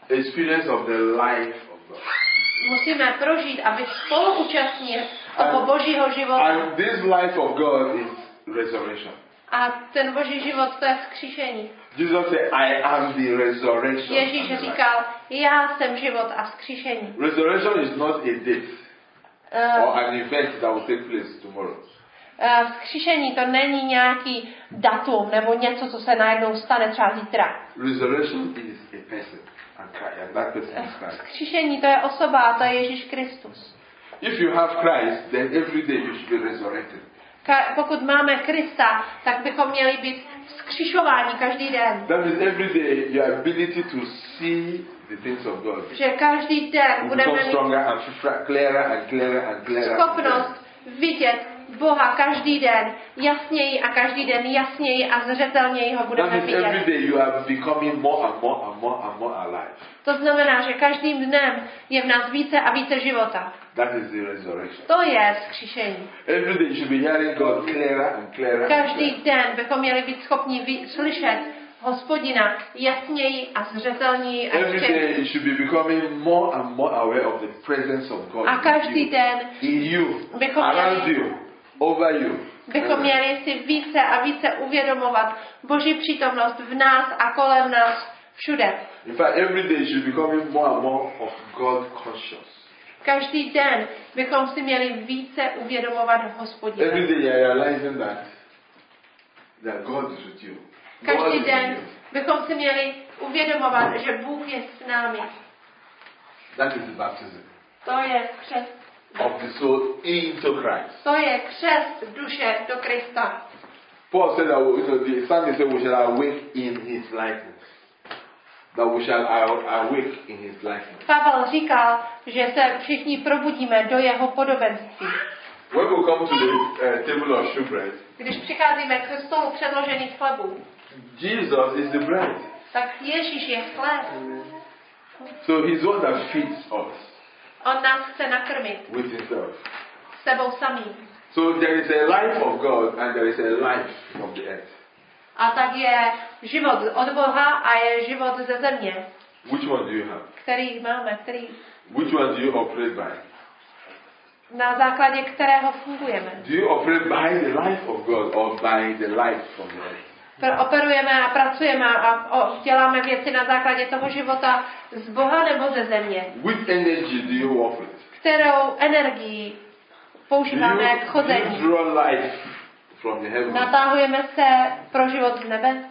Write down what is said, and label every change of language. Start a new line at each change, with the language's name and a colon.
English: Experience of the life of God.
Czech: Musíme prožít, aby spoluúčastnit toho Božího života.
English: And this life of God is resurrection.
Czech: A ten boží život, to je vzkříšení.
English: Jesus said, I am the resurrection.
Czech: Ježíš říkal, já jsem život a vzkříšení.
English: Resurrection is not a date or an event that will take place tomorrow.
Czech: Vzkříšení to není nějaký datum nebo něco, co se najednou stane třeba zítra.
English: Resurrection is a person, and Christ, and that person is Christ.
Czech: Vzkříšení to je osoba, a to je Ježíš Kristus.
English: If you have Christ, then every day you should be resurrected.
Czech: Pokud máme Krista, tak bychom měli být vzkřišováni každý den.
English: That means every day your ability to see the things of God.
Czech: Že každý den budeme mít
English: stronger and clearer and clearer and clearer.
Czech: Schopnost vidět Boha každý den jasněji a každý den jasněji a zřetelněji ho budeme vidět.
English: Every day you are becoming more and more and more and more alive.
Czech: To znamená, že každým dnem je v nás více a více života.
English: That is the resurrection.
Czech: To je vzkříšení.
English: Every day you should be hearing God clearer and clearer.
Czech: Každý den bychom měli být schopni slyšet Hospodina jasněji a zřetelněji a všem.
English: Every day you should be becoming more and more aware of the presence of God.
Czech: A každý den
English: in you, around you, over you.
Czech: Bychom měli si více a více uvědomovat Boží přítomnost v nás a kolem nás všude.
English: In fact, every day you should be becoming more and more of God conscious.
Czech: Každý den bychom si měli více uvědomovat Hospodina.
English: Every day you are realizing that God is with you.
Czech: Každý den bychom si měli uvědomovat, že Bůh je s námi.
English: That is the baptism.
Czech: To je křest.
English: Of the soul into Christ.
Czech: To je křest duše do Krista.
English: Paul said that the psalmist said we shall awake in His likeness. That we shall awake in His likeness.
Czech: Pavel říkal, že se všichni probudíme do jeho podobenství.
English: When we come to the table of shewbread.
Czech: Když přicházíme k stolu předložených chlebů.
English: Jesus is the bread.
Czech: Tak Ježíš je chléb.
English: So He's one that feeds us.
Czech: On nás chce nakrmit.
English: With Himself.
Czech: Sebou samým.
English: So there is a life of God and there is a life from the earth.
Czech: A tak je život od Boha a je život ze země.
English: Which one do you have?
Czech: Který máme, který?
English: Which one do you operate by?
Czech: Na základě kterého fungujeme?
English: Do you operate by the life of God or by the life from the earth?
Czech: Operujeme a pracujeme a děláme věci na základě toho života z Boha nebo ze země.
English: Which energy do you offer?
Czech: Kterou energii používáme k chození?
English: Do you draw life from the heavens?
Czech: Natáhujeme se pro život z nebe?